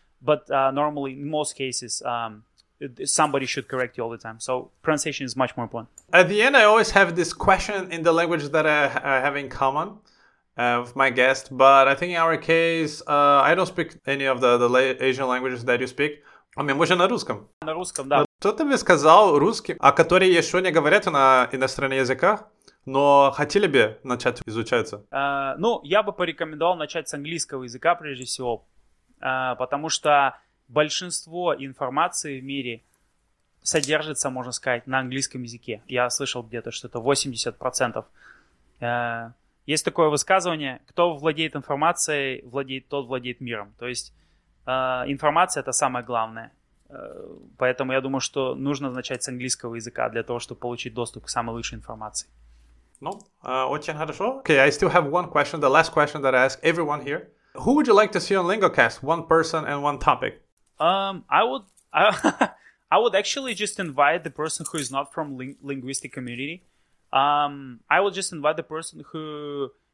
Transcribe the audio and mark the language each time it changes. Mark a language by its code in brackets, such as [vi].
[en] But normally, in most cases, somebody should correct you all the time. So pronunciation is much more important. At the end, I always have this question in the language that I have in common with my guest. But I think in our case, I don't speak any of the Asian languages that you speak. [ru] А мы можем на русском. На русском, да. Кто тебе сказал русский, а который еще не говорит на иностранных языках, но хотели бы начать изучаться? Ну, я бы порекомендовал начать с английского языка прежде всего. Потому что большинство информации в мире содержится, можно сказать, на английском языке. Я слышал где-то, что это 80%. Есть такое высказывание, кто владеет информацией, тот владеет миром. То есть информация – это самое главное. Поэтому я думаю, что нужно начать с английского языка для того, чтобы получить доступ к самой лучшей информации. Ну, очень хорошо. [en] Okay, I still have one question, the last question that I ask everyone here. Who would you like to see on LingoCast? One person and one topic. I would actually just invite the person who is not from linguistic community. I would just invite the person who.